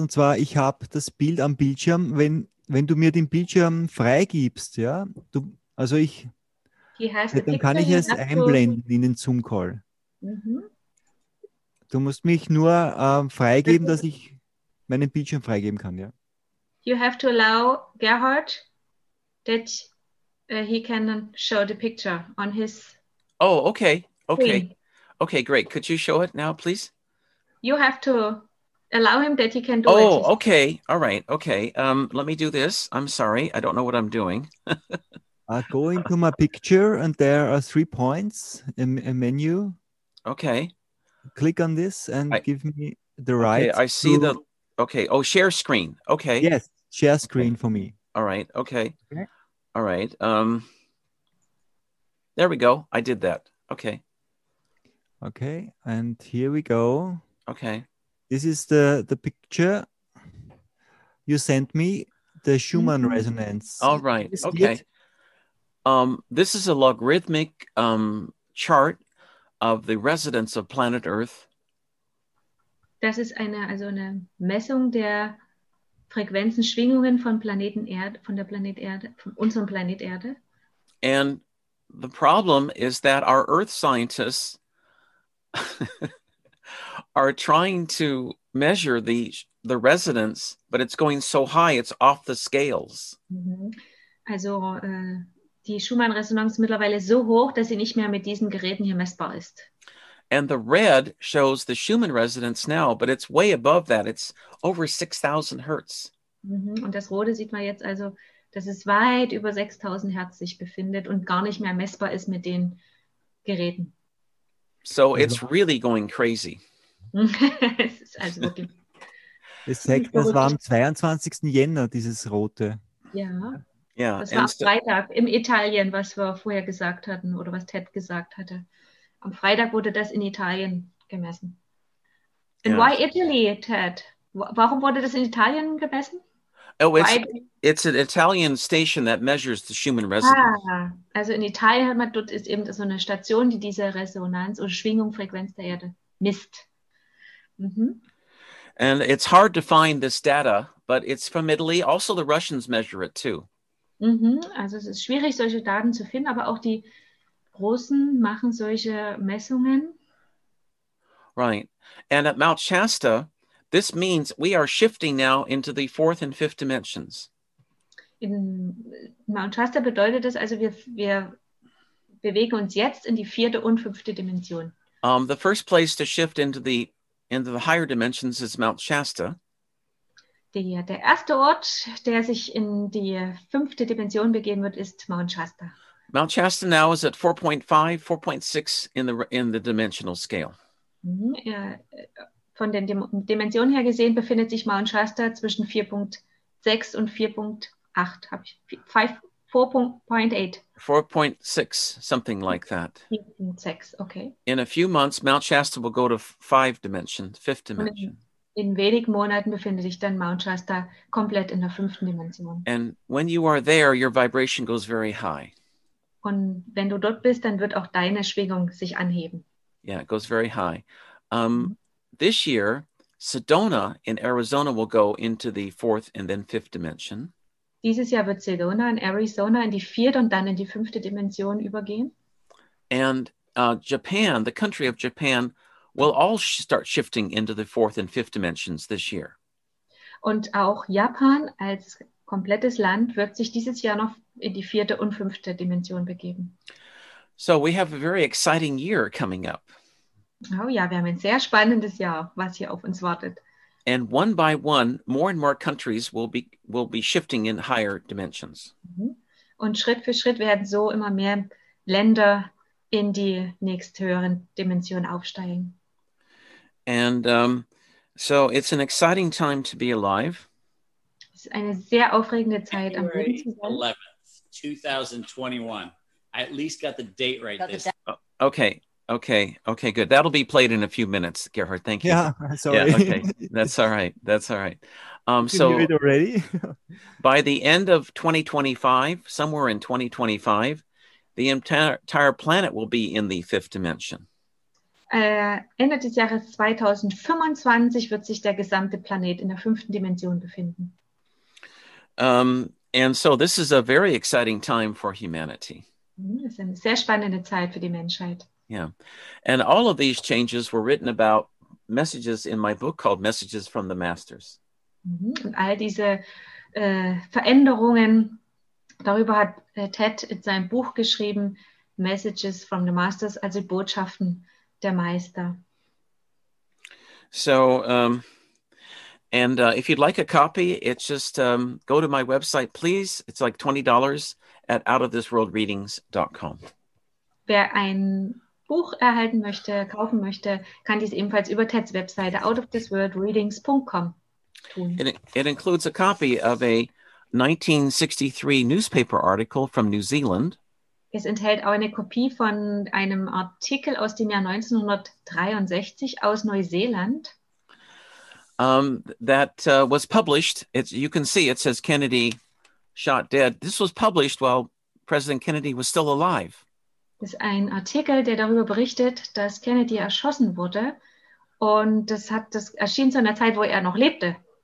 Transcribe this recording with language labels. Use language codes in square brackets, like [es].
[de] Und zwar, ich habe das Bild am Bildschirm. Wenn du mir den Bildschirm freigibst, ja, du, also ich... Ja, dann kann ich es einblenden in den Zoom-Call. Mhm. Du musst mich nur freigeben, dass ich meinen Bildschirm freigeben kann, ja. [en] You have to allow Gerhard that he can show the picture on his... Oh, okay, okay. Screen. Okay, great. Could you show it now, please? You have to allow him that he can do oh, it. Oh, okay, all right, okay. Let me do this. I'm sorry, I don't know what I'm doing. I go into my picture and there are three points in a menu. Okay. Click on this and give me the right. Okay, I see the. Okay. Oh, share screen. Okay. Yes. Share screen for me. All right. Okay. Okay. All right. There we go. I did that. Okay. Okay. And here we go. Okay. This is the picture you sent me, the Schumann resonance. All right. Okay. This is a logarithmic chart of the resonance of planet Earth. [de] Das ist eine Messung der Frequenzen, Schwingungen von Planeten Erde, von der Planet Erde, von unserem Planet Erde. [en] And the problem is that our Earth scientists are trying to measure the resonance, but it's going so high, it's off the scales. [de] Also die Schumann-Resonanz mittlerweile so hoch, dass sie nicht mehr mit diesen Geräten hier messbar ist. [en] And the red shows the Schumann resonance now, but it's way above that. It's over 6,000 hertz. Mm-hmm. [de] Und das Rote sieht man jetzt also, dass es weit über 6,000 hertz sich befindet und gar nicht mehr messbar ist mit den Geräten. [en] So it's really going crazy. [de] Es ist also wirklich. Das zeigt, das war am 22. Jänner, dieses Rote. Ja. [en] Yeah. [de] Das war am Freitag im Italien, was wir vorher gesagt hatten oder was Ted gesagt hatte. Am Freitag wurde das in Italien gemessen. [en] And yeah. Why Italy, Ted? [de] Warum wurde das in Italien gemessen? [en] Oh, it's an Italian station that measures the Schumann resonance. [de] Ah, also in Italien hat man dort ist eben so eine Station, die diese Resonanz oder Schwingungsfrequenz der Erde misst. Mhm. [en] And it's hard to find this data, but it's from Italy. Also the Russians measure it too. Mhm. [de] Also es ist schwierig, solche Daten zu finden, aber auch die Russen machen solche Messungen. [en] Right. And at Mount Shasta, this means we are shifting now into the fourth and fifth dimensions. [de] In Mount Shasta bedeutet das also, wir bewegen uns jetzt in die vierte und fünfte Dimension. [en] The first place to shift into the higher dimensions is Mount Shasta. [de] Der erste Ort, der sich in die fünfte Dimension begeben wird, ist Mount Shasta. [en] Mount Shasta now is at 4.5, 4.6 in the dimensional scale. [de] Von den Dimensionen her gesehen befindet sich Mount Shasta zwischen 4.6 und 4.8. [en] 4.6, something like that. 4.6, okay. In a few months, Mount Shasta will go to five dimension, fifth dimension. [de] In wenigen Monaten befindet sich dann Mount Shasta komplett in der fünften Dimension. [en] And when you are there, your vibration goes very high. [de] Und wenn du dort bist, dann wird auch deine Schwingung sich anheben. [en] Yeah, it goes very high. This year, Sedona in Arizona will go into the fourth and then fifth dimension. [de] Dieses Jahr wird Sedona in Arizona in die vierte und dann in die fünfte Dimension übergehen. [en] And Japan, the country of Japan, will all start shifting into the fourth and fifth dimensions this year. [de] Und auch Japan als komplettes Land wird sich dieses Jahr noch in die vierte und fünfte Dimension begeben. [en] So we have a very exciting year coming up. [de] Oh ja, wir haben ein sehr spannendes Jahr, was hier auf uns wartet. [en] And one by one, more and more countries will be shifting in higher dimensions. [de] Und Schritt für Schritt werden so immer mehr Länder in die nächsthöheren Dimensionen aufsteigen. [en] And so it's an exciting time to be alive. [de] Es ist eine sehr aufregende Zeit. [en] January 11th, 2021. I at least got the date right this time. Okay, good. That'll be played in a few minutes, Gerhard. Thank you. Yeah, sorry. Yeah, okay. That's all right. So you read already? By the end of 2025, somewhere in 2025, the entire planet will be in the fifth dimension. [de] Ende des Jahres 2025 wird sich der gesamte Planet in der fünften Dimension befinden. [en] And so this is a very exciting time for humanity. [de] Es ist eine sehr spannende Zeit für die Menschheit. [en] Yeah. And all of these changes were written about messages in my book called Messages from the Masters. [de] Und all diese Veränderungen, darüber hat Ted in seinem Buch geschrieben, Messages from the Masters, also Botschaften der Meister. [en] So, if you'd like a copy, it's just go to my website, please. It's like $20 at outofthisworldreadings.com. [de] Wer ein Buch erhalten möchte, kaufen möchte, kann dies ebenfalls über Teds Webseite outofthisworldreadings.com tun. [en] It includes a copy of a 1963 newspaper article from New Zealand. [de] Es enthält auch eine Kopie von einem Artikel aus dem Jahr 1963 aus Neuseeland. [en] That was published. You can see it says Kennedy shot dead. This was published while President Kennedy was still alive. [de] Das ist ein Artikel, der darüber berichtet, dass Kennedy erschossen wurde. Und das erschien zu einer Zeit, wo er noch lebte.